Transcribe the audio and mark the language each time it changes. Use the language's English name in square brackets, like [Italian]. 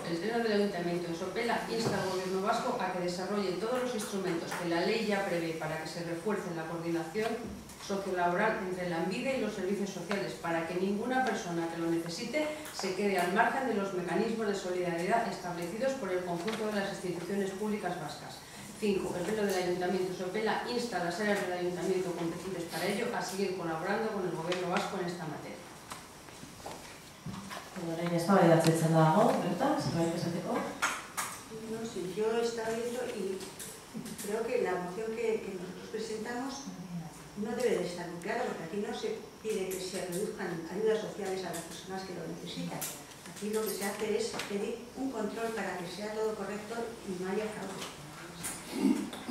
[Spanish] El pleno del Ayuntamiento de Sopela insta al Gobierno Vasco a que desarrolle todos los instrumentos que la ley ya prevé para que se refuerce la coordinación sociolaboral entre la ANBIDE y los servicios sociales, para que ninguna persona que lo necesite se quede al margen de los mecanismos de solidaridad establecidos por el conjunto de las instituciones públicas vascas. 5. El pleno del Ayuntamiento de Sopela insta a las áreas del Ayuntamiento competentes para ello a seguir colaborando con el Gobierno Vasco en esta materia. [Basque] Orain eztabaidatzen dago, bertan, zerbait esateko? [Spanish] No, si yo estaba viendo y creo que la moción que nosotros presentamos no debe de estar muy clara, porque aquí no se pide que se reduzcan ayudas sociales a las personas que lo necesitan. Aquí lo que se hace es pedir un control para que sea todo correcto y no haya fraude.